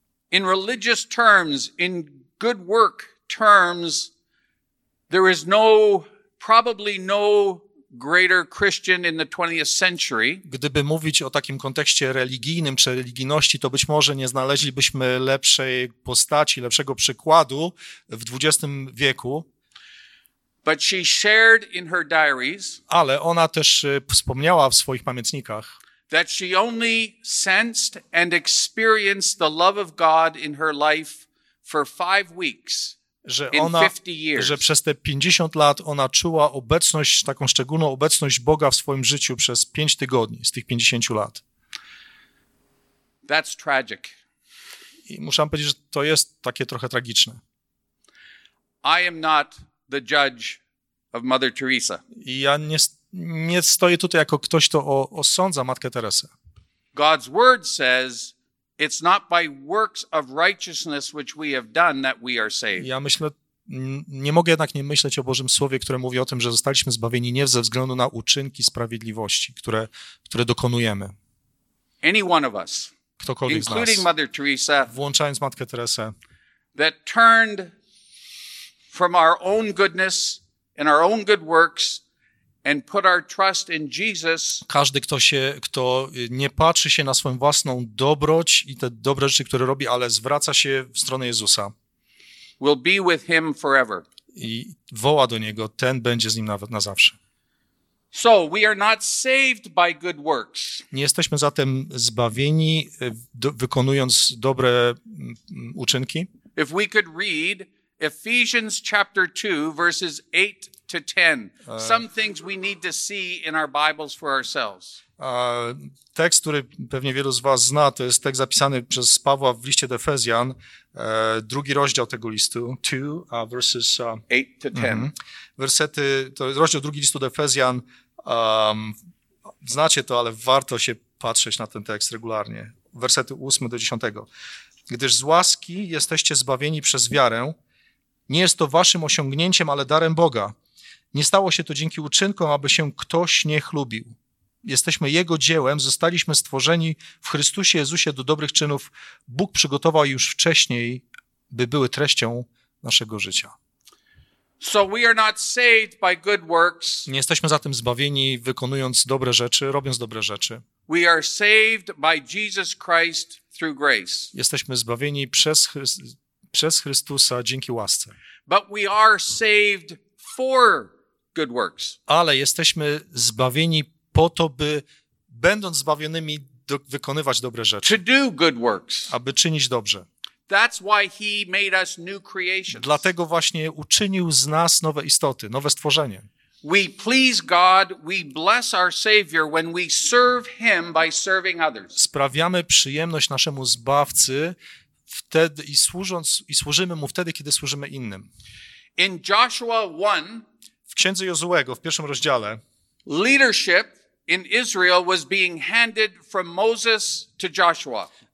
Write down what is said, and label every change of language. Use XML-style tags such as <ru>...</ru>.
<en>In religious terms, in good work terms, there is no, probably no greater Christian in the 20th century.</en> <pl>Gdyby mówić o takim kontekście religijnym czy religijności, to być może nie znaleźlibyśmy lepszej postaci, lepszego przykładu w XX wieku.</pl> <en>But she shared in her diaries,</en> <pl>ale ona też wspomniała w swoich pamiętnikach,</pl> <en>that she only sensed and experienced the love of God in her life for 5 weeks.</en> <pl>Że przez te 50 lat ona czuła obecność, taką szczególną obecność Boga w swoim życiu przez 5 tygodni z tych 50 lat.</pl> <en>That's tragic.</en> <pl>I muszę powiedzieć, że to jest takie trochę tragiczne.</pl> <en>I am not the judge of Mother Teresa.</en> <pl>Ja nie stoję tutaj jako ktoś, kto osądza Matkę Teresę.</pl> <en>God's word says, it's not by works of righteousness which we have done that we are saved.</en> <pl>Ja myślę, nie mogę jednak nie myśleć o Bożym Słowie, które mówi o tym, że zostaliśmy zbawieni nie ze względu na uczynki sprawiedliwości, które dokonujemy.</pl> <en>Any one of us,</en> <pl>ktokolwiek z nas,</pl> <en>including Mother Teresa,</en> <pl>włączając Matkę Teresę,</pl> <en>that turned from our own goodness and our own good works and put our trust in Jesus.</en> <pl>Każdy, kto nie patrzy się na swoją własną dobroć i te dobre rzeczy, które robi, ale zwraca się w stronę Jezusa,</pl> <en>will be with him forever.</en> <pl>I woła do niego, ten będzie z nim nawet na zawsze.</pl> <en>So we are not saved by good works.</en> <pl>Nie jesteśmy zatem zbawieni wykonując dobre uczynki.</pl> <en>If we could read Ephesians chapter 2 verses 8 to 10. Some things we need to see in our Bibles for ourselves.</en> <pl>Tekst, który pewnie wielu z was zna, to jest tekst zapisany przez Pawła w liście do Efezjan, drugi rozdział tego listu,</pl> <en>2 verses 8 to 10.</en> <pl>Wersety, to jest rozdział drugi listu do Efezjan. Znacie to, ale warto się patrzeć na ten tekst regularnie. Wersety 8 do 10. Gdyż z łaski jesteście zbawieni przez wiarę, nie jest to waszym osiągnięciem, ale darem Boga. Nie stało się to dzięki uczynkom, aby się ktoś nie chlubił. Jesteśmy Jego dziełem, zostaliśmy stworzeni w Chrystusie Jezusie do dobrych czynów. Bóg przygotował już wcześniej, by były treścią naszego życia.</pl> <en>So we are not saved by good works.</en> <pl>Nie jesteśmy zatem zbawieni wykonując dobre rzeczy, robiąc dobre rzeczy.</pl> <en>We are saved by Jesus Christ through grace.</en> <pl>Jesteśmy zbawieni przez Chrystusa dzięki łasce.</pl> <en>But we are saved for good works.</en> <pl>Ale jesteśmy zbawieni po to, by będąc zbawionymi wykonywać dobre rzeczy.</pl> <en>To do good works.</en> <pl>Aby czynić dobrze.</pl> <en>That's why he made us new creations.</en> <pl>Dlatego właśnie uczynił z nas nowe istoty, nowe stworzenie.</pl> <en>We please God, we bless our Savior when we serve him by serving others.</en> <pl>Sprawiamy przyjemność naszemu Zbawcy wtedy i służąc i służymy mu wtedy, kiedy służymy innym.</pl> <en>In Joshua 1,</en> <pl>w Księdze Jozuego w pierwszym rozdziale</pl> <en>leadership in Israel was being handed from Moses to Joshua.</en>